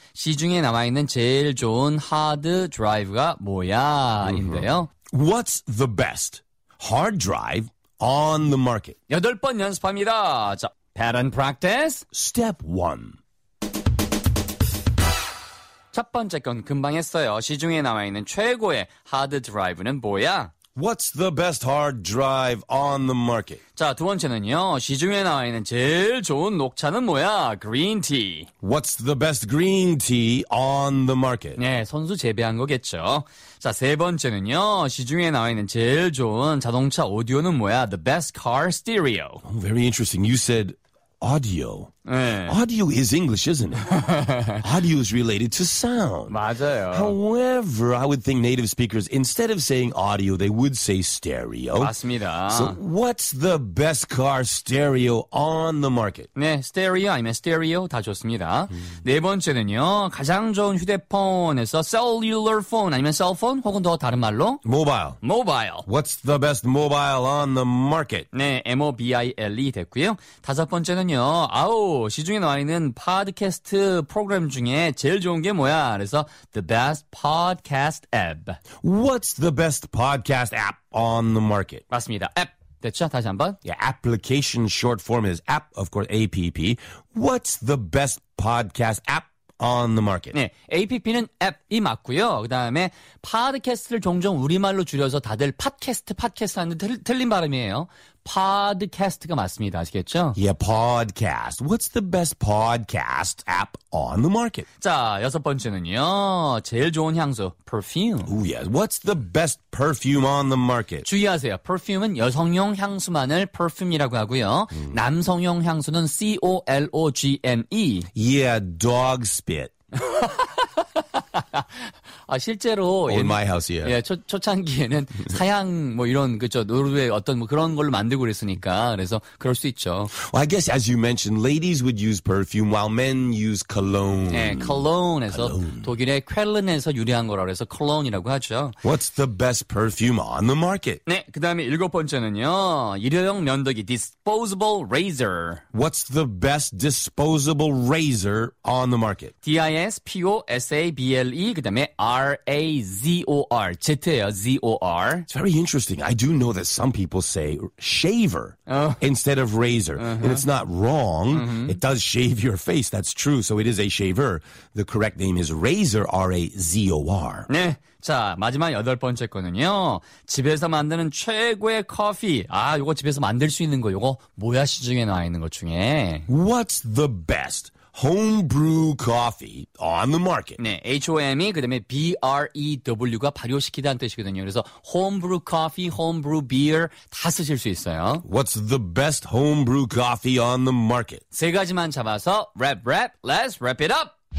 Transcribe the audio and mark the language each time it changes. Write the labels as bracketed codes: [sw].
[ko] 시중에 남아있는 제일 좋은 하드 드라이브가 뭐야인데요. [en] What's the best hard drive on the market? [ko] 여덟 번 연습합니다. 자, [en] pattern practice. Step one. [ko] 첫 번째 건 금방 했어요. 시중에 남아있는 최고의 하드 드라이브는 뭐야? [en] What's the best hard drive on the market? [ko] 자, 두 번째는요. 시중에 나와 있는 제일 좋은 녹차는 뭐야? [en] Green tea. What's the best green tea on the market? [ko] 네, 선수 재배한 거겠죠. 자, 세 번째는요. 시중에 나와 있는 제일 좋은 자동차 오디오는 뭐야? [en] The best car stereo. Oh, very interesting. You said audio. [ko] 네. [en] Audio is English, isn't it? Audio is related to sound. [ko] 맞아요. [en] However, I would think native speakers, instead of saying audio, they would say stereo. [ko] 맞습니다. [en] So what's the best car stereo on the market? [ko] 네, stereo 아니면 stereo 다 좋습니다. 네 번째는요, 가장 좋은 휴대폰에서 cellular phone 아니면 cell phone 혹은 더 다른 말로 [en] mobile. Mobile. What's the best mobile on the market? [ko] 네, mobile 됐고요. 다섯 번째는요, 아우 시중에 나와 있는 팟캐스트 프로그램 중에 제일 좋은 게 뭐야? 그래서 [en] the best podcast app. What's the best podcast app on the market? [ko] 맞습니다. App. 됐죠? 다시 한번. [en] Yeah, application short form is app, of course, APP. What's the best podcast app on the market? [ko] 네, APP는 app이 맞고요. 그다음에 팟캐스트를 종종 우리말로 줄여서 다들 팟캐스트, 팟캐스트 하는데 틀린 발음이에요. Podcast가 맞습니다. 아시겠죠? [en] Yeah, podcast. What's the best podcast app on the market? [ko] 자, 여섯 번째는요. 제일 좋은 향수, perfume. [en] Oh, yeah. What's the best perfume on the market? [ko] 주의하세요. Perfume은 여성용 향수만을 perfume이라고 하고요. 남성용 향수는 C-O-L-O-G-M-E. [en] Yeah, dog spit. [ko] 아, 실제로 [en] in my house, yeah. [ko] 예, 초창기에는 사양 뭐 이런 그죠 노르웨이 어떤 뭐 그런 걸로 만들고 그랬으니까 그래서 그럴 수 있죠. [en] Well, I guess as you mentioned, ladies would use perfume while men use cologne. [ko] 네, 예, cologne에서 독일의 쾰른에서 유래한 거라 그래서 cologne이라고 하죠. [en] What's the best perfume on the market? [ko] 네, 그다음에 일곱 번째는요 일회용 면도기 disposable razor. [en] What's the best disposable razor on the market? Disposable [ko] 그다음에 [en] R-A-Z-O-R, Z-O-R. Z-O-R. It's very interesting. I do know that some people say shaver instead of razor. Uh-huh. And it's not wrong. Uh-huh. It does shave your face. That's true. So it is a shaver. The correct name is razor, R-A-Z-O-R. [ko] 네. 자, 마지막 여덟 번째 거는요. 집에서 만드는 최고의 커피. 아, 요거 집에서 만들 수 있는 거. 요거 뭐야 시중에 나와 있는 것 중에. [en] What's the best homebrew coffee on the market? [ko] 네, H-O-M-E, 그 다음에 B-R-E-W가 발효시키다는 뜻이거든요. 그래서 homebrew coffee, homebrew beer 다 쓰실 수 있어요. [en] What's the best homebrew coffee on the market? [ko] 세 가지만 잡아서 랩, 랩, [en] let's wrap it up!